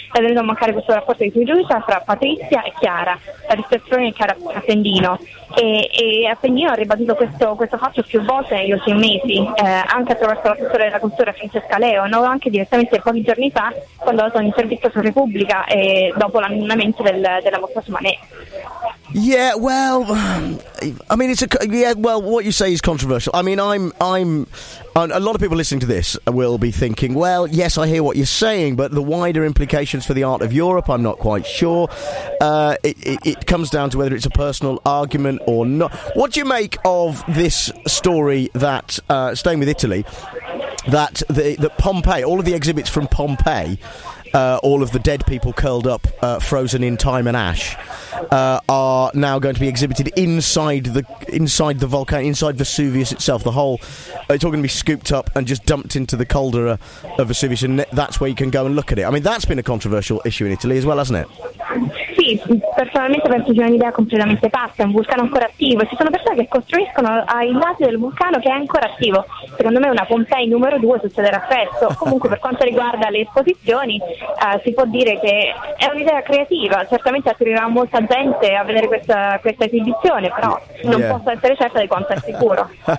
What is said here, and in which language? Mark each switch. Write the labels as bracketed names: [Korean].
[Italian] È venuto a mancare questo rapporto di fiducia tra Patrizia e Chiara, la rispettazione di Chiara Appendino. E Appendino ha ribadito questo fatto più volte negli ultimi mesi, anche attraverso l'assessore della cultura Francesca Leo, no? Anche direttamente pochi giorni fa, quando ha dato un'intervista su Repubblica e dopo l'annullamento della mostra su Manet. [English] Yeah, well, I mean, what you say is controversial. I mean, a lot of people listening to this will be thinking, well, yes, I hear what you're saying, but the wider implications for the art of Europe, I'm not quite sure. It comes down to whether it's a personal argument or not. What do you make of this story that, staying with Italy, that Pompeii, all of the exhibits from Pompeii, all of the dead people curled up, frozen in time and ash, are now going to be exhibited inside the volcano, inside Vesuvius itself. The whole, it's all going to be scooped up and just dumped into the caldera of Vesuvius, and that's where you can go and look at it. I mean, that's been a controversial issue in Italy as well, hasn't it? [Italian] Sì, personalmente penso sia un'idea completamente pazza, è un vulcano ancora attivo, ci sono persone che costruiscono ai lati del vulcano che è ancora attivo, secondo me una Pompei numero due succederà presto. Comunque per quanto riguarda le esposizioni, si può dire che è un'idea creativa, certamente attirerà molta gente a vedere questa esibizione, però non posso essere certa di quanto è sicuro.